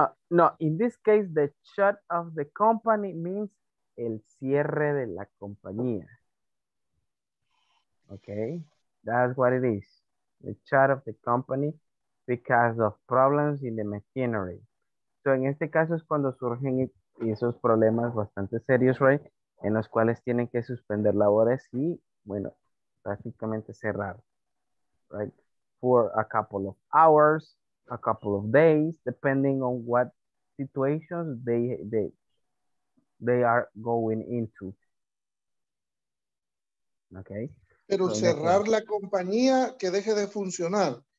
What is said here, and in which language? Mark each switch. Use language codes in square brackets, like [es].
[en] No, in this case, the shot of the company means [es] el cierre de la compañía. [en] Okay, that's what it is. The shot of the company because of problems in the machinery. [es] So en este caso es cuando surgen esos problemas bastante serios, right? En los cuales tienen que suspender labores y, bueno, prácticamente cerrar, right? [en] For a couple of hours, a couple of days, depending on what situations they are going into. Okay. [es] Pero so cerrar la compañía que deje de funcionar.